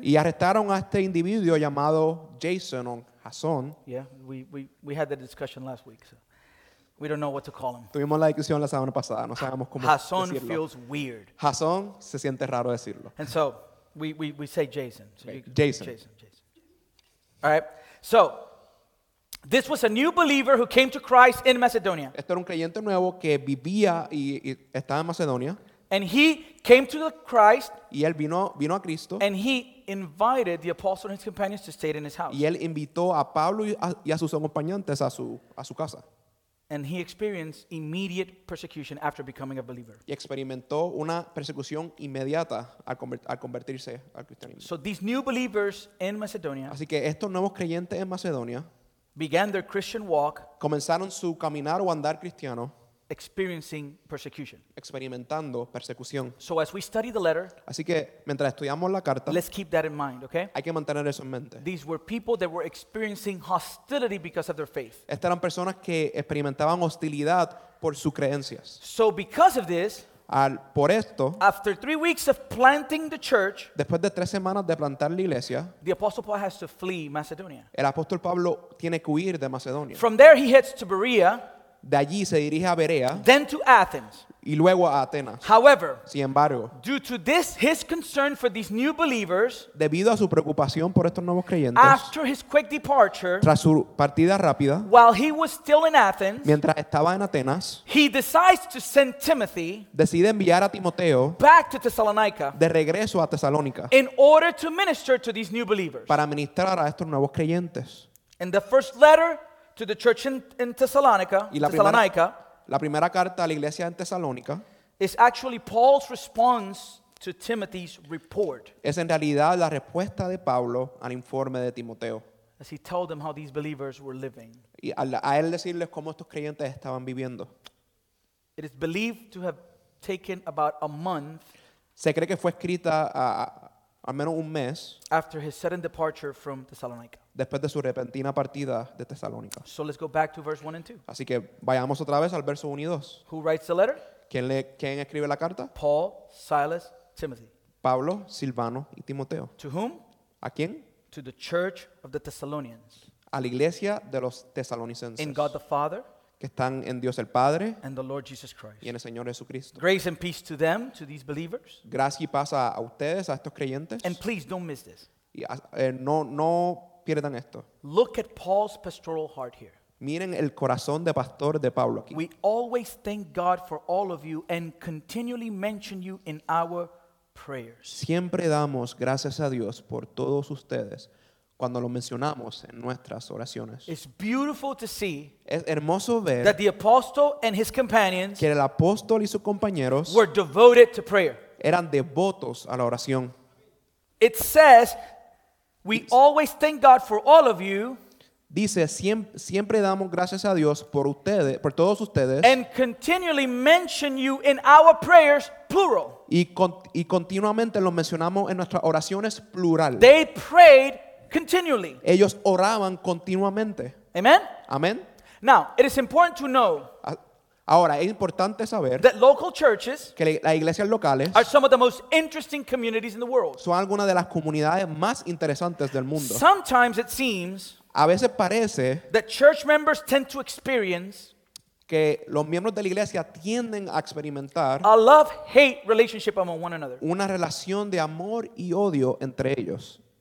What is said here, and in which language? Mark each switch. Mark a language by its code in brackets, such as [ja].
[es] y arrestaron a este individuo llamado Jason, Jason. [en] Yeah, we had that discussion last week, so we don't know what to call him. [es] Tuvimos la discusión la semana pasada, no sabemos cómo decirlo. [en] Jason feels weird. [es] Jason se siente raro decirlo. [en] And so we say Jason. So Jason. All right. So this was a new believer who came to Christ in Macedonia. [es] Esto era un creyente nuevo que vivía y estaba en Macedonia. [en] And he came to Christ. [es] Y él vino a Cristo. [en] And he invited the apostle and his companions to stay in his house. [es] Y él invitó a Pablo y a sus acompañantes a su casa. [en] And he experienced immediate persecution after becoming a believer. [es] Y experimentó una persecución inmediata al convertirse al cristianismo. [en] So these new believers in Macedonia, [es] así que estos nuevos creyentes en Macedonia, [en] began their Christian walk, [es] comenzaron su caminar o andar cristiano, [en] experiencing persecution. [es] Experimentando persecución. [en] So as we study the letter, [es] así que mientras estudiamos la carta, [en] let's keep that in mind, okay? [es] Hay que mantener eso en mente. [en] These were people that were experiencing hostility because of their faith. [es] Estas eran personas que experimentaban hostilidad por sus creencias. [en] So because of this, [es] por esto, [en] after 3 weeks of planting the church, [es] después de 3 semanas de plantar la iglesia, [en] the Apostle Paul has to flee Macedonia. [es] El apóstol Pablo tiene que huir de Macedonia. [en] From there he heads to Berea. [es] De allí se dirige a Berea, [en] then to Athens, [es] y luego a Atenas. [en] However, [es] sin embargo, [en] due to this, his concern for these new believers, [es] debido a su preocupación por estos nuevos creyentes, [en] after his quick departure, [es] tras su partida rápida, [en] while he was still in Athens, [es] mientras estaba en Atenas, [en] he decides to send Timothy, [es] decide enviar a Timoteo, [en] back to Thessalonica, [es] de regreso a Tesalónica, [en] in order to minister to these new believers, [es] para ministrar a estos nuevos creyentes. [en] In the first letter to the church in Thessalonica, [es] la primera carta a la iglesia en Tesalónica, [en] is actually Paul's response to Timothy's report. [es] Es en realidad la respuesta de Pablo al informe de Timoteo. [en] As he told them how these believers were living. [es] Y a él decirles cómo estos creyentes estaban viviendo. [en] It is believed to have taken about a month. [es] Se cree que fue escrita al menos un mes. [en] After his sudden departure from Thessalonica. [es] Después de su repentina partida de Tesalónica. [en] So let's go back to verse 1 and 2. [es] Así que vayamos otra vez al verso 1 y 2. [en] Who writes the letter? [es] ¿Quién escribe la carta? [en] Paul, Silas, Timothy. [es] Pablo, Silvano y Timoteo. [en] To whom? [es] ¿A quién? [en] To the church of the Thessalonians. [es] A la iglesia de los Tesalonicenses. [en] In God the Father. [es] Que están en Dios el Padre. [en] And the Lord Jesus Christ. [es] Y en el Señor Jesucristo. [en] Grace and peace to them, to these believers. [es] Gracia y paz a ustedes, a estos creyentes. [en] And please don't miss this. [es] Y no pierdan esto. [en] Look at Paul's pastoral heart here. [es] Miren el corazón de pastor de Pablo aquí. [en] We always thank God for all of you and continually mention you in our prayers. [es] Siempre damos gracias a Dios por todos ustedes cuando lo mencionamos en nuestras oraciones. [en] It's beautiful to see. [es] Es hermoso ver [en] that the apostle and his companions, [es] que el apóstol y sus compañeros, [en] were devoted to prayer. [es] Eran devotos a la oración. [en] It says, we always thank God for all of you. [es] Dice, siempre damos gracias a Dios por ustedes, por todos ustedes. [en] And continually mention you in our prayers, plural. [es] Y continuamente lo mencionamos en nuestras oraciones, plural. [en] They prayed continually. [es] Ellos oraban continuamente. [en] Amen. [es] Amen. [en] Now, it is important to know. [es] Ahora, es importante saber [en] that local churches, [es] que las iglesias locales, [en] are some of the most interesting communities in the world. [es] Son algunas de las comunidades más interesantes del mundo. [en] Sometimes it seems, [es] a veces parece, [en] that church members tend to experience, [es] que los miembros de la iglesia tienden a experimentar, [en] a love-hate relationship among one another. [es] Una relación de amor y odio entre ellos.